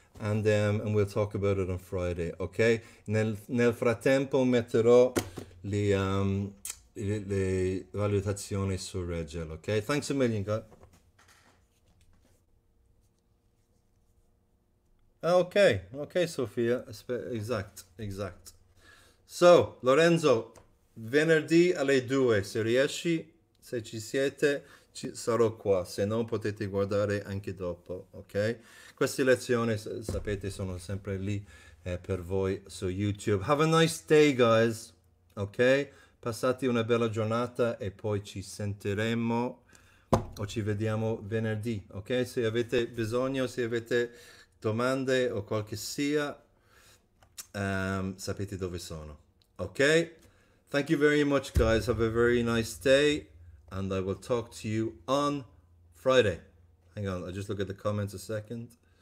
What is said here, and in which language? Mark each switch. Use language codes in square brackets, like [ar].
[en] And we'll talk about it on Friday, okay? [it] Nel frattempo metterò le valutazioni su Regel, okay? [en] Thanks a million, guys. Okay, Sofia. Exact. [it] So, Lorenzo, venerdì alle 2, se riesci, se ci siete, sarò qua. Se no, potete guardare anche dopo, okay? Queste lezioni, sapete, sono sempre lì per voi su YouTube. [en] Have a nice day, guys. [it] Ok? Passate una bella giornata e poi ci sentiremo o ci vediamo venerdì. Ok? Se avete bisogno, se avete domande o qualche sia, sapete dove sono. [en] Ok? Thank you very much, guys. Have a very nice day. And I will talk to you on Friday. Hang on. I'll just look at the comments a second.